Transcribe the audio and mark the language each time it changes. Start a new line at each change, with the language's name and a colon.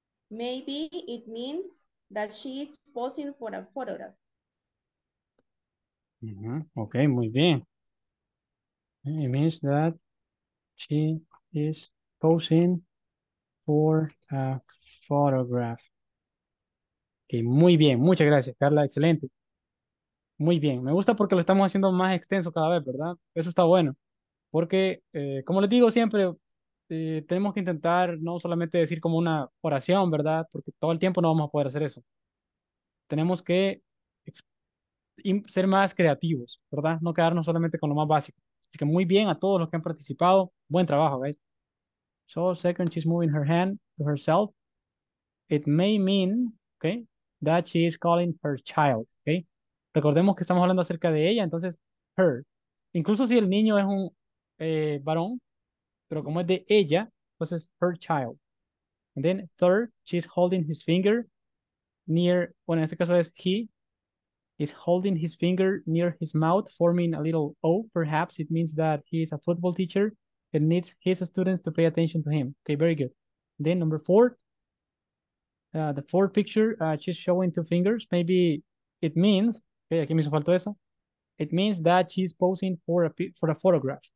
English: Maybe it means that she is posing for a photograph.
Spanish: Okay, muy bien.
English: It means that she is posing for a photograph.
Spanish: Okay, muy bien. Muchas gracias, Carla. Excelente. Muy bien. Me gusta porque lo estamos haciendo más extenso cada vez, ¿verdad? Eso está bueno. Porque, como les digo siempre, tenemos que intentar no solamente decir como una oración, ¿verdad? Porque todo el tiempo no vamos a poder hacer eso. Tenemos que ser más creativos, ¿verdad? No quedarnos solamente con lo más básico. Así que muy bien a todos los que han participado. Buen trabajo,
English: guys. So, second, she's moving her hand to herself. It may mean, okay, that she is calling her child, okay?
Spanish: Recordemos que estamos hablando acerca de ella, entonces, her. Incluso si el niño es un varón, pero como es de ella, entonces,
English: her child. And then, third, she's holding his finger near,
Spanish: bueno, en este caso es
English: he. He's holding his finger near his mouth, forming a little O. Perhaps it means that he is a football teacher and needs his students to pay attention to him. Okay, very good. Then number four, the fourth picture, she's showing two fingers. Maybe it means, okay,
Spanish: aquí me hizo falta eso.
English: It means that she's posing for a photograph.